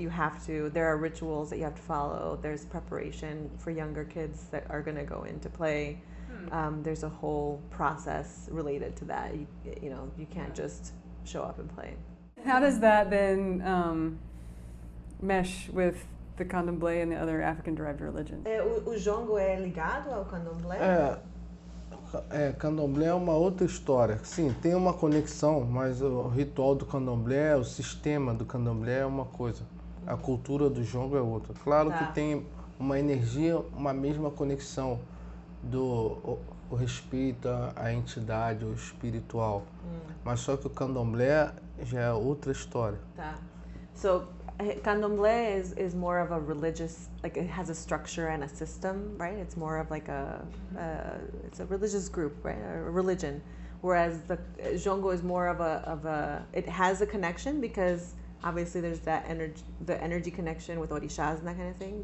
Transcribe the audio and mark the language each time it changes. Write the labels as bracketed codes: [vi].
[en] You have to, there are rituals that you have to follow. There's preparation for younger kids that are going to go into play. There's a whole process related to that. You can't just show up and play. How does that then mesh with the candomblé and the other African-derived religions? [pt] O jongo é ligado ao candomblé? Candomblé é uma outra história. Sim, tem uma conexão, mas o ritual do candomblé, o sistema do candomblé é uma coisa. A cultura do jongo é outra. Claro que tem uma energia, uma mesma conexão do o respeito à entidade, o espiritual. Mas só que o candomblé já é outra história. Tá. [en] So, candomblé is more of a religious, like it has a structure and a system, right? It's more of like it's a religious group, right? A religion. Whereas the jongo is more of a it has a connection because obviously there's that energy, the energy connection with orishas and that kind of thing.